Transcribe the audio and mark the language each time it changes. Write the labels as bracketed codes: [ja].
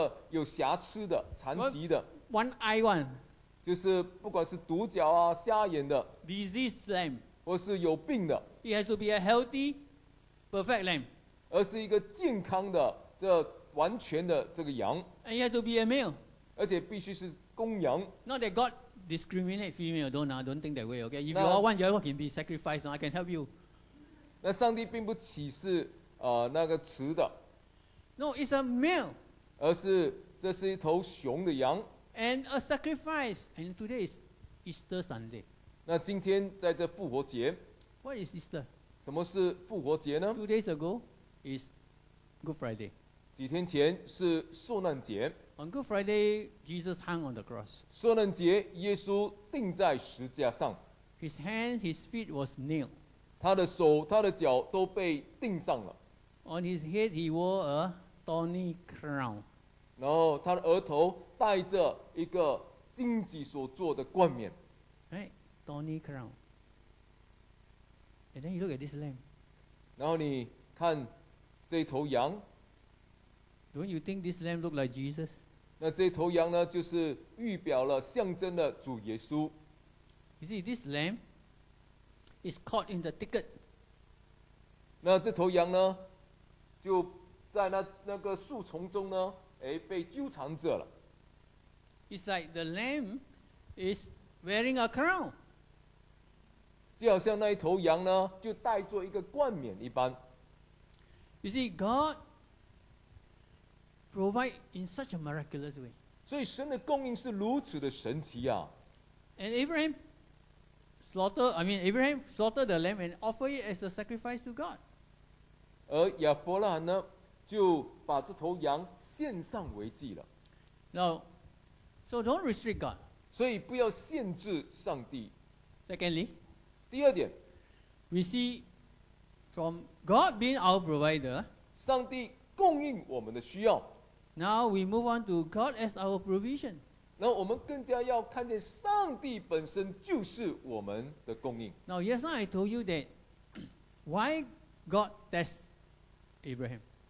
[zh] 那你不能够限制一个有瑕疵的残疾的 [en] one eye one [zh] 就是不管是独角啊瞎眼的 [en] diseased lamb [zh] 或是有病的 [en] it has to be a healthy perfect lamb [zh] 而是一个健康的这完全的这个羊 [en] and it has to be a male [zh] 而且必须是公羊 [en] not that God discriminate female don't think that way okay if you all want your own can be sacrificed I can help you [zh] 那上帝并不歧视那个词的 [en] No, it's a male. [zh] 而是这是一头熊的羊. [en] And a sacrifice. And today is Easter Sunday. [zh] 那今天在这复活节. [en] What is Easter? [zh] 什么是复活节呢? [en] 2 days ago is Good Friday. [zh] 几天前是受难节. [en] On Good Friday, Jesus hung on the cross. [zh] 受难节，耶稣钉在十字架上. [en] His hands, his feet was nailed. [zh] 他的手，他的脚都被钉上了. [en] On his head, he wore a thorny crown. [zh] 然后他的额头戴着一个荆棘所做的冠冕. [en] Right, thorny crown. And then you look at this lamb. [zh] 然后你看这头羊. [en] Don't you think this lamb looked like Jesus? [zh] 那这头羊呢，就是预表了象征的主耶稣. [en] You see, this lamb is caught in the thicket. [zh] 那这头羊呢，就 在那个树丛中呢, 被纠缠着了。 [en] It's like the lamb is wearing a crown. [zh] 就好像那一头羊呢, 就戴着一个冠冕一般。 [en] You see, God provide in such a miraculous way. [zh] 所以神的供应是如此的神奇啊。 [en] And Abraham slaughtered the lamb and offered it as a sacrifice to God. [zh] 而亚伯拉罕呢, 就把这头羊献上为祭了。 [en] No, so don't restrict God. [zh] 所以不要限制上帝。 [en] Secondly, [zh] 第二点, [en] We see from God being our provider. [zh] 上帝供应我们的需要。 [en] Now we move on to God as our provision. [zh] 那我们更加要看见上帝本身就是我们的供应。 [en] Now yesterday I told you that why God test Abraham.